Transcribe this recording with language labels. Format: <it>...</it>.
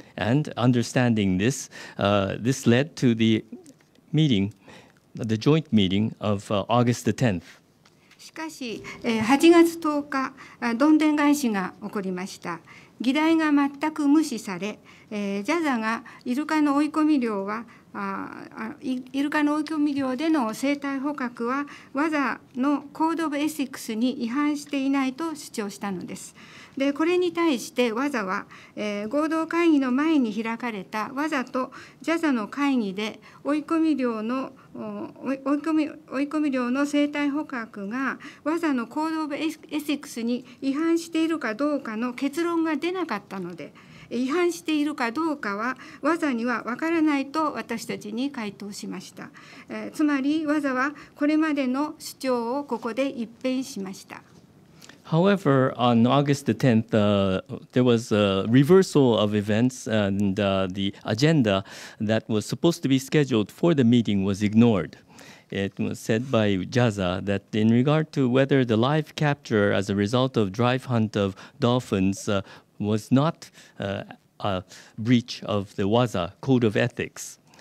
<en>And understanding this, this led to the meeting, the joint meeting of August the 10th.</en> <ja>しかし、8月10日、どんでん返しが起こりました。議題が全く無視され、ジャザがイルカの追い込み漁は、イルカの追い込み漁での生態捕獲は、ワザのコードオブエシックスに違反していないと主張したのです。で、これに対してワザは、合同会議の前に開かれたワザとジャザの会議で追い込み漁の追い込み漁の生態捕獲がワザのコードオブエシックスに違反しているかどうかの結論が出なかったので、違反しているかどうかはワザには分からないと私たちに回答しました。つまりワザはこれまでの主張をここで一変しました。</ja> <en>However, on August the 10th, there was a reversal of events, and the agenda that was supposed to be scheduled for the meeting was ignored. It was said by JAZA that in regard to whether the live capture as a result of drive hunt of dolphins was not a breach of the WASA code of ethics.</en>